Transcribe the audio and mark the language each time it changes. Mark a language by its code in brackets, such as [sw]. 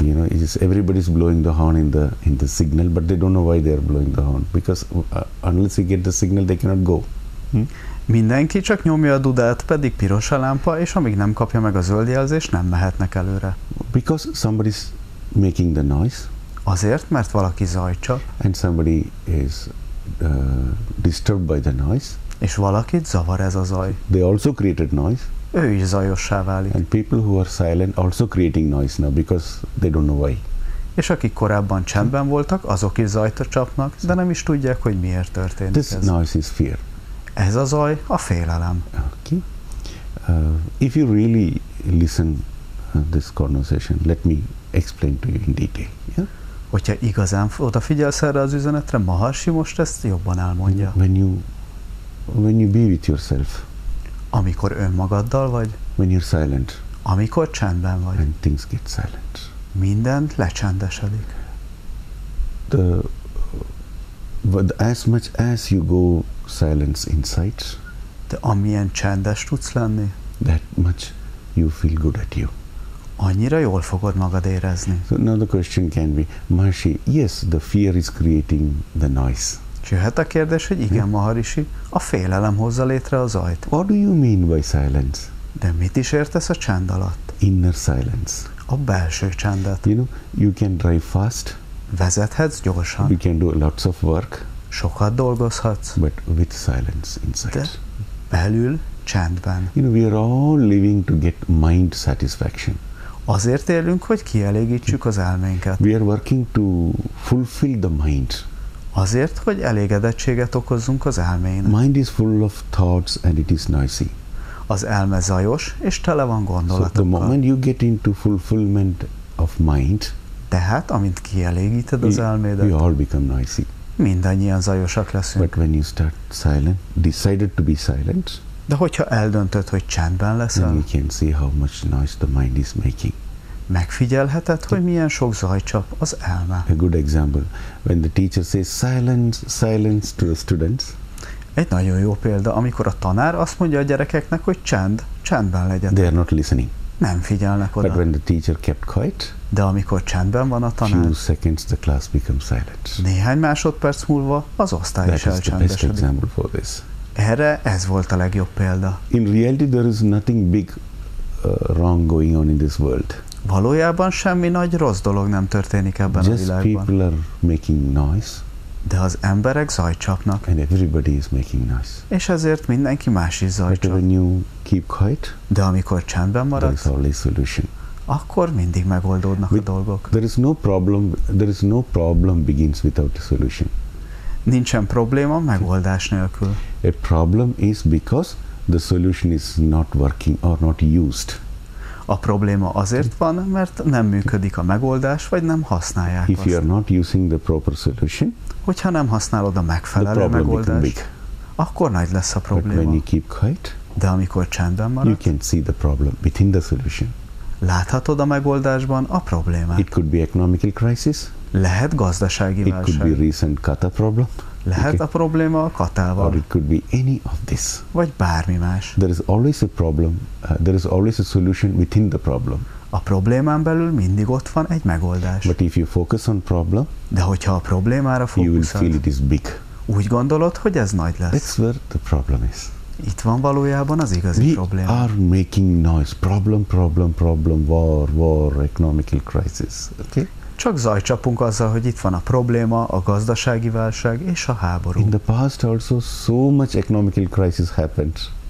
[en] You know, it's everybody is blowing the horn in the signal, but they don't know why they are blowing the horn. Because unless they get the signal, they cannot go. [hu] Mindenki csak nyomja a dudát, pedig piros a lámpa, és amíg nem kapja meg a zöld jelzést, nem mehetnek előre. [en] Because somebody is making the noise. [hu] Azért, mert valaki zajcsap. [en] And somebody is disturbed by the noise. [hu] És valakit zavar ez a zaj. [en] They also created noise. [hu] Ő is zajossá válik. [en] And people who are silent also creating noise now, because they don't know why. [hu] És akik korábban csendben voltak, azok is zajt csapnak, de nem is tudják, hogy miért történik [en] this [hu] ez. [en] This noise is fear. [hu] Ez a zaj a félelem. [en] Okay. If you really listen this conversation, let me explain to you in detail. Yeah? [hu] Hogyha igazán odafigyelsz erre az üzenetre, Maharshi most ezt jobban elmondja. [en] When you be with yourself. [hu] Amikor önmagaddal vagy. [en] When you're silent. [hu] Amikor csendben vagy. [en] And things get silent. [hu] Minden lecsendesedik. [en] But as much as you go silence inside. [hu] De amilyen csendes tudsz lenni. [en] That much you feel good at you. [hu] Annyira jól fogod magad érezni. [en] So now the question can be, Maharishi, yes, the fear is creating the noise. [hu] Jöhet a kérdés, hogy igen, Maharishi, a félelem hozza létre a zajt. [en] What do you mean by silence? [hu] De mit is értesz a csend alatt? [en] Inner silence. [hu] A belső csendet. [en] You know, you can drive fast. [hu] Vezethetsz gyorsan. [en] You can do lots of work. [hu] Sokat dolgozhatsz. [en] But with silence inside. [hu] De belül csendben. [en] You know, we are all living to get mind satisfaction. [hu] Azért élünk, hogy kielégítsük az elménket. [en] We are working to fulfill the mind. [hu] Azért, hogy elégedettséget okozzunk az elménnek. [en] Mind is full of thoughts and it is noisy. [hu] Az elme zajos és tele van gondolatokkal. [en] So the moment you get into fulfillment of mind, [hu] tehát amint kielégíted az elmédet, [en] we all become noisy. [hu] Mindannyian zajosak leszünk. [en] But when you start silent, decided to be silent, [hu] de hogyha eldöntöd, hogy csendben leszel, [en] then you can see how much noise the mind is making. [hu] Megfigyelheted, hogy milyen sok zaj csap az elme. [en] A good example. When the teacher says silence, silence to the students. [hu] Egy nagyon jó példa, amikor a tanár azt mondja a gyerekeknek, hogy csend, csendben legyen. [en] They are not listening. [hu] Nem figyelnek oda. [en] But when the teacher kept quiet, [hu] de amikor csendben van a tanár, [en] few seconds the class becomes silent. [hu] Néhány másodperc múlva az osztály [en] that [hu] is elcsendesedik. [en] That is the best example for this. [hu] Erre ez volt a legjobb példa. [en] In reality there is nothing big wrong going on in this world. [hu] Valójában semmi nagy rossz dolog nem történik ebben [en] just [hu] a világban. [en] Just people are making noise. [hu] De az emberek zajcsapnak. [en] And everybody is making noise. [hu] És ezért mindenki más is zajcsap. [en] But when you keep quiet, [hu] de amikor csendben maradsz, [en] there is only solution. [hu] Akkor mindig megoldódnak [en] with, [hu] a dolgok. [en] There is no problem begins without a solution. [hu] Nincsen probléma megoldás nélkül. [en] A problem is because the solution is not working or not used. [hu] A probléma azért van, mert nem működik a megoldás, vagy nem használják [en] if [hu] azt. [en] You are not using the proper solution, [hu] hogyha nem használod a megfelelő megoldást, [en] big. [hu] Akkor nagy lesz a probléma. [en] But when you keep quiet, [hu] de amikor csendben marad, [en] you can see the problem within the solution. [hu] Láthatod a megoldásban a problémát. [en] It could be economical crisis. [hu] Lehet gazdasági [en] it [hu] válság. [en] Could be recent kata problem. [hu] Lehet okay. A probléma a katával. [en] Or it could be any of this. [hu] Vagy bármi más. [en] There is always a problem. There is always a solution within the problem. [hu] A problémán belül mindig ott van egy megoldás. [en] But if you focus on problem, [hu] de hogyha a problémára fókuszál, [en] you will feel it is big. [hu] Úgy gondolod, hogy ez nagy lesz. [en] That's where the problem is. [hu] Itt van valójában az igazi [en] we [hu] probléma. [en] We are making noise. Problem, problem, problem. War, economical crisis. Okay? [hu] Csak zajcsapunk azzal, hogy itt van a probléma, a gazdasági válság és a háború. [en] In the past also so much economical crisis happened.